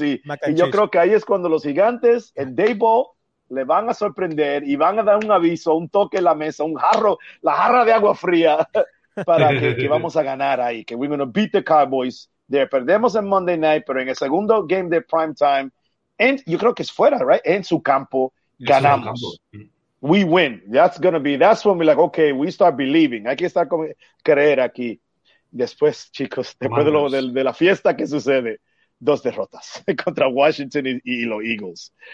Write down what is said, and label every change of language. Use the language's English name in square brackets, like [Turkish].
[Spanish] Y yo creo que ahí es cuando los Gigantes, en Dayball, le van a sorprender y van a dar un aviso, un toque en la mesa, un jarro, la jarra de agua fría para que vamos a ganar ahí, que [English] we're going to beat the Cowboys. There. [Spanish] Perdemos en Monday Night, pero en el segundo game de primetime, yo creo que es fuera, right? En su campo, ganamos. [English] We win. That's when we're like, okay, we start believing. [Spanish] Hay que estar con creer aquí. Después, chicos, después de, lo, de la fiesta, ¿qué sucede? Dos derrotas contra Washington y los Eagles.